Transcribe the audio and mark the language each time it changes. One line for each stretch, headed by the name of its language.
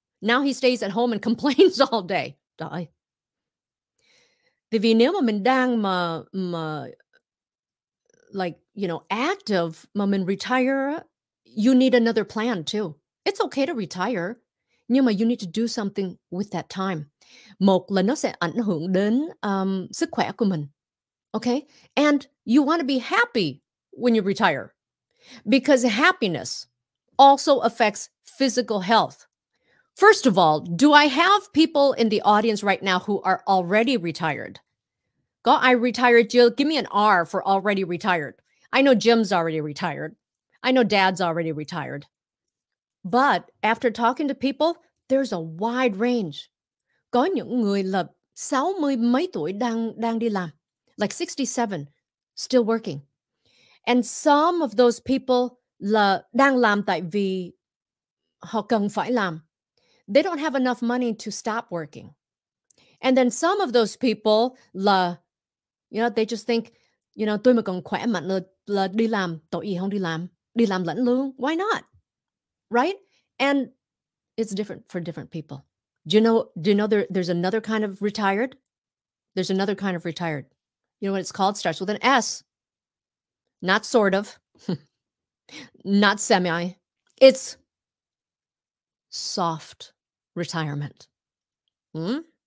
English: Now he stays at home and complains all day.
Vietnamese: Trời. Thì vì nếu mà mình đang mà like, you know, active, mà mình retire,
English: you need another plan too. It's okay to retire,
Vietnamese: nhưng mà
English: you need to do something with that time.
Vietnamese: Một là nó sẽ ảnh hưởng đến sức khỏe của mình, okay?
English: And you want to be happy when you retire, because happiness also affects physical health. First of all, do I have people in the audience right now who are already retired? Go, I retired, Jill. Give me an R for already retired. I know Jim's already retired. I know Dad's already retired. But after talking to people, there's a wide range.
Vietnamese: Có những người là 60 mấy tuổi đang đi làm, like 67,
English: still working. And some of those people
Vietnamese: là đang làm tại vì họ cần phải làm.
English: They don't have enough money to stop working. And then some of those people
Vietnamese: là, you know,
English: they just think,
Vietnamese: you know, tôi mà còn khỏe mạnh là đi làm, tội gì không đi làm, đi làm lãnh lương,
English: why not? Right? And it's different for different people. Do you know there's another kind of retired? There's another kind of retired. You know what it's called? Starts with an S. Not sort of. Not semi. It's soft retirement. Hmm?